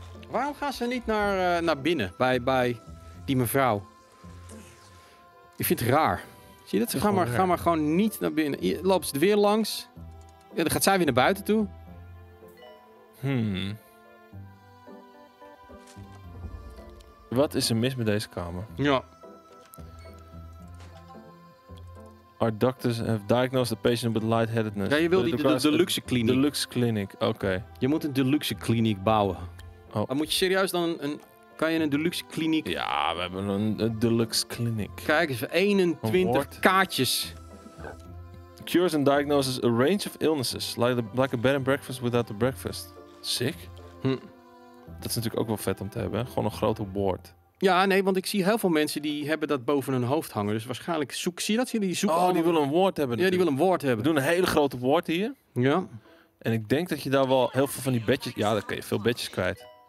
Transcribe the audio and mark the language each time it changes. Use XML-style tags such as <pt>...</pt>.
<nl>Waarom gaan ze niet naar binnen bij die mevrouw? Ik vind het raar. Zie je dat? Ze gaan maar gewoon niet naar binnen. Hier lopen ze er weer langs. Ja, dan gaat zij weer naar buiten toe. Wat is er mis met deze kamer? Ja.</nl> <en>Our doctors have diagnosed the patient with lightheadedness.</en> <nl>Ja, je wil die deluxe kliniek. Deluxe kliniek, oké. Je moet een deluxe kliniek bouwen. Oh. Maar moet je serieus dan kan je een deluxe kliniek... Ja, we hebben een deluxe kliniek. Kijk eens, 21 kaartjes.</nl> <en>Cures and diagnoses a range of illnesses. Like a bed and breakfast without the breakfast. Sick.</en> <nl>Dat is natuurlijk ook wel vet om te hebben. Gewoon een grote board. Ja, nee, want ik zie heel veel mensen die hebben dat boven hun hoofd hangen. Dus waarschijnlijk zie je dat? Die willen een woord hebben. Natuurlijk. Ja, die willen een woord hebben. We doen een hele grote woord hier. Ja. En ik denk dat je daar wel heel veel van die bedjes... Ja, daar kun je veel bedjes kwijt.</nl>